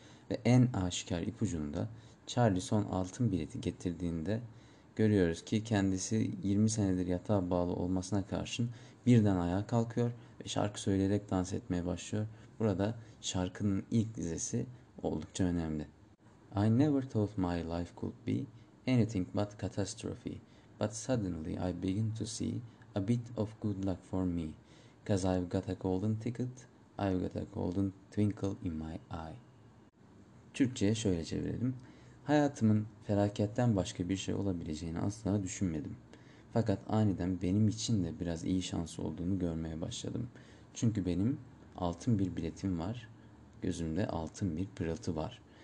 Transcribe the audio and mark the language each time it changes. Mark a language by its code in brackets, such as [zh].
[tr] Ve en aşikar ipucunda Charlie son altın bileti getirdiğinde görüyoruz ki kendisi 20 senedir yatağa bağlı olmasına karşın birden ayağa kalkıyor ve şarkı söyleyerek dans etmeye başlıyor. Burada şarkının ilk dizesi oldukça önemli. [en] I never thought my life could be anything but catastrophe, but suddenly I begin to see a bit of good luck for me, 'cause I've got a golden ticket, I've got a golden twinkle in my eye. [tr] Türkçe'ye şöyle çevirelim. Hayatımın felaketten başka bir şey olabileceğini asla düşünmedim. Fakat aniden benim için de biraz iyi şans olduğunu görmeye başladım. Çünkü benim altın bir biletim var, gözümde altın bir pırıltı var.